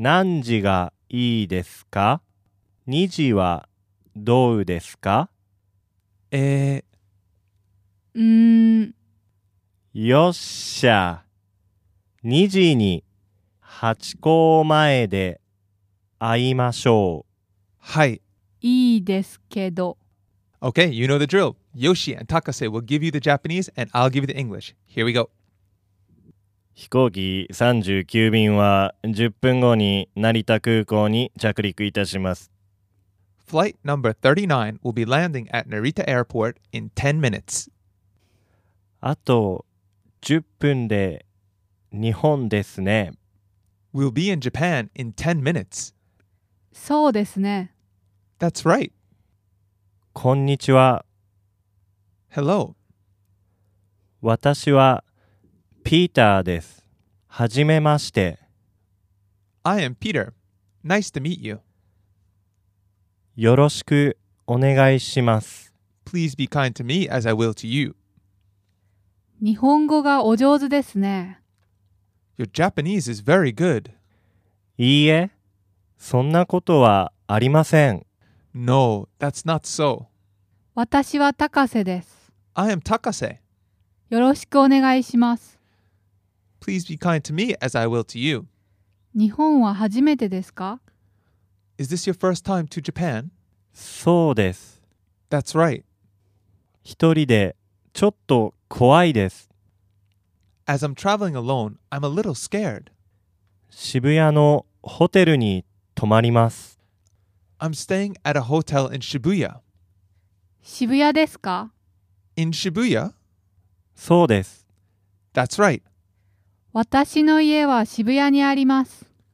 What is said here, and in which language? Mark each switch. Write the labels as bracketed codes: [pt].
[ja] 何時がいいですか？2 時はどうですか？よっしゃ、2時にハチ公前で会いましょう。はい。いいですけど。 [en] Okay, you know the drill. Yoshi and Takase will give you the Japanese and I'll give you the English. Here we go. [ja] 飛行機39便は10分後に成田空港に着陸いたします。 [en] Flight number 39 will be landing at Narita Airport in 10 minutes. [ja] あと10分で日本ですね。 [en] We'll be in Japan in 10 minutes. [ja] そうですね。 [en] That's right. [ja] こんにちは。 [en] Hello. [ja] 私はピーターです。はじめまして。 [en] I am Peter. Nice to meet you. [ja] よろしくお願いします。 [en] Please be kind to me as I will to you. [ja] 日本語がお上手ですね。 [en] Your Japanese is very good. [ja] いいえ、そんなことはありません。 [en] No, that's not so. [ja] 私は高瀬です。 [en] I am Takase. [ja] よろしくお願いします。 [en] Please be kind to me as I will to you. [ja] 日本は初めてですか? [en] Is this your first time to Japan? [ja] そうです。 [en] That's right. [ja] 一人でちょっと怖いです。 [en] As I'm traveling alone, I'm a little scared. [ja] 渋谷のホテルに泊まります。 [en] I'm staying at a hotel in Shibuya. [ja] 渋谷ですか? [en] In Shibuya? [ja] そうです。 [en] That's right. [ja] 私の家は渋谷にあります。